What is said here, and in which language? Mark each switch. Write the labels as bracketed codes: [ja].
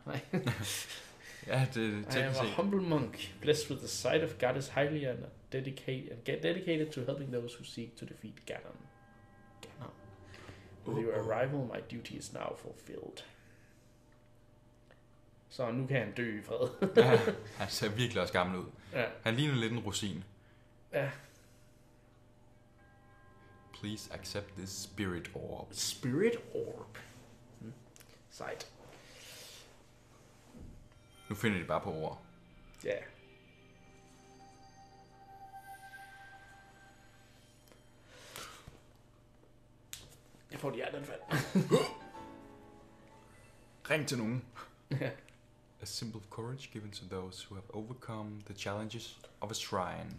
[da] Nej. Ja, det er teknisk. [en] I am a humble monk, blessed with the sight of Goddess Hylia and dedicated to helping those who seek to defeat Ganon. With your arrival, my duty is now fulfilled. [da] Så nu kan han dø i fred. Ja, han ser virkelig også gammel ud. Ja. Han ligner lidt en rosin. Ja. [en] Please accept this spirit orb. Spirit orb? Sejt. [da] Nu finder de bare på ord. Ja. Jeg får et hjerteanfald. Ring til nogen. Ja. [en] A symbol of courage given to those who have overcome the challenges of a shrine.